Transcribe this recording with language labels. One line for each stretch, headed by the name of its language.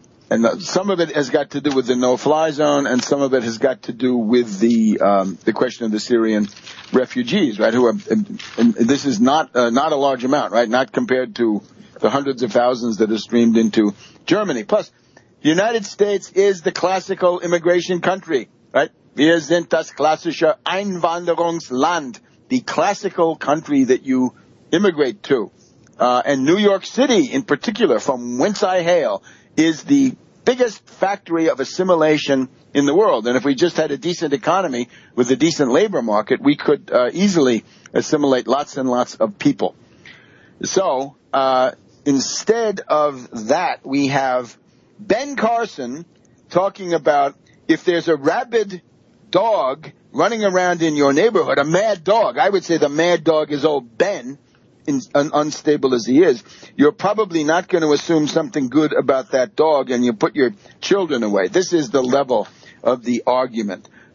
English: And some of it has got to do with the no-fly zone, and some of it has got to do with the question of the Syrian refugees, right? Who are, and this is not a large amount, right? Not compared to the hundreds of thousands that have streamed into Germany. Plus, the United States is the classical immigration country, right?
German: Wir sind das klassische Einwanderungsland,
English: the classical country that you immigrate to. And New York City, in particular, from whence I hail, is the biggest factory of assimilation in the world. And if we just had a decent economy with a decent labor market, we could easily assimilate lots and lots of people. So instead of that, we have Ben Carson talking about, if there's a rabid dog running around in your neighborhood, a mad dog, I would say the mad dog is old Ben, unstable as he is, you're probably not going to assume something good about that dog, and you put your children away. This is the level of the argument.